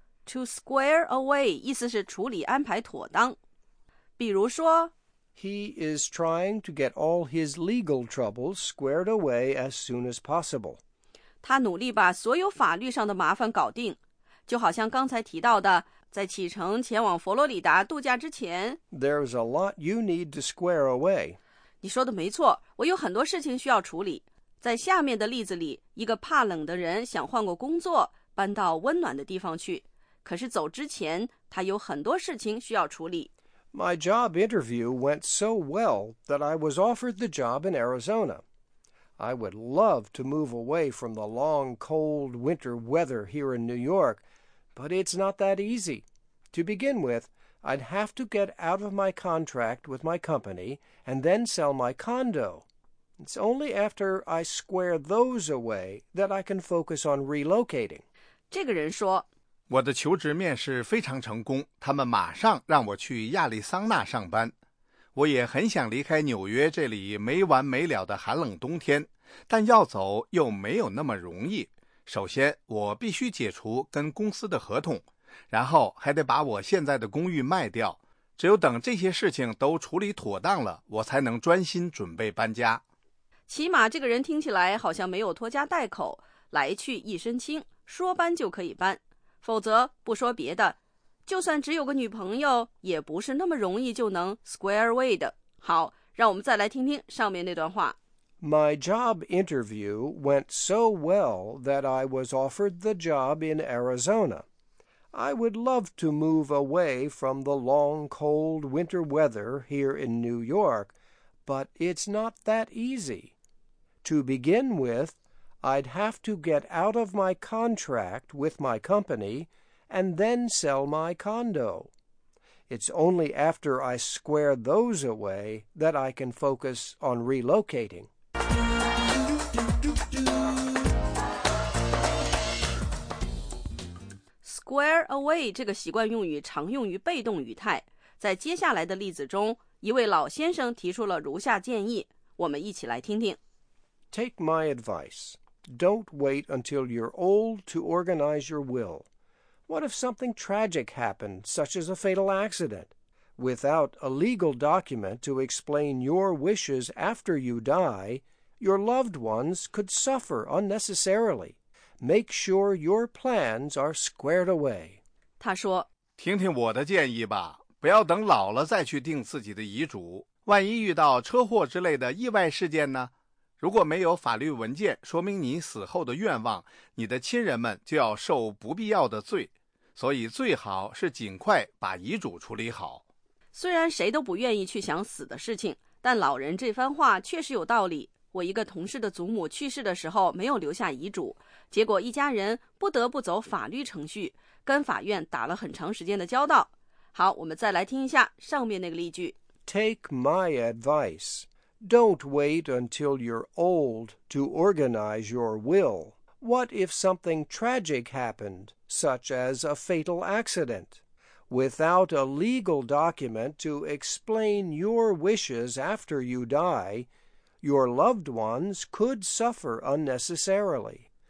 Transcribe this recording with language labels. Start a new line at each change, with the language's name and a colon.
English: To square away
Chinese: 意思是处理安排妥当。比如说
English: He is trying to get all his legal troubles squared away as soon as possible.
Chinese: 他努力把所有法律上的麻烦搞定。就好像刚才提到的，在启程前往佛罗里达度假之前
English: There's a lot you need to square away.
Chinese: 你说的没错，我有很多事情需要处理。在下面的例子里，一个怕冷的人想换个工作，搬到温暖的地方去。可是走之前，他有很多事情需要处理。
English: My job interview went so well that I was offered the job in Arizona. I would love to move away from the long, cold winter weather here in New York, but it's not that easy. To begin with,I'd have to get out of my contract with my company and then sell my condo. It's only after I square those away that I can focus on relocating.
Chinese: 这个人说，我的求职面试非常成功，他们马上让我去亚利桑那上班。我也很想离开纽约这里没完没了的寒冷冬天，但要走又没有那么容易。首先，我必须解除跟公司的合同。然后还得把我现在的公寓卖掉，只有等这些事情都处理妥当了，我才能专心准备搬家。起码这个人听起来好像没有拖家带口，来去一身轻，说搬就可以搬。否则不说别的，就算只有个女朋友，也不是那么容易就能 square away 的。好，让我们再来听听上面那段话。
English: My job interview went so well that I was offered the job in Arizona. I would love to move away from the long, cold winter weather here in New York, but it's not that easy. To begin with, I'd have to get out of my contract with my company and then sell my condo. It's only after I square those away that I can focus on relocating.
Chinese: Square away 这个习惯用语常用于被动语态。在接下来的例子中，一位老先生提出了如下建议，我们一起来听听。
English: Take my advice. Don't wait until you're old to organize your will. What if something tragic happened, such as a fatal accident? Without a legal document to explain your wishes after you die, your loved ones could suffer unnecessarily. Make sure your plans are squared away.
Chinese: 他说，听听我的建议吧，不要等老了再去定自己的遗嘱。万一遇到车祸之类的意外事件呢？如果没有法律文件说明你死后的愿望，你的亲人们就要受不必要的罪。所以最好是尽快把遗嘱处理好。虽然谁都不愿意去想死的事情，但老人这番话确实有道理。我一个同事的祖母去世的时候没有留下遗嘱，结果一家人不得不走法律程序，跟法院打了很长时间的交道。好，我们再来听一下上面那个例句。
English: Take my advice. Don't wait until you're old to organize your will. What if something tragic happened, such as a fatal accident? Without a legal document to explain your wishes after you die,Your loved ones could suffer unnecessarily.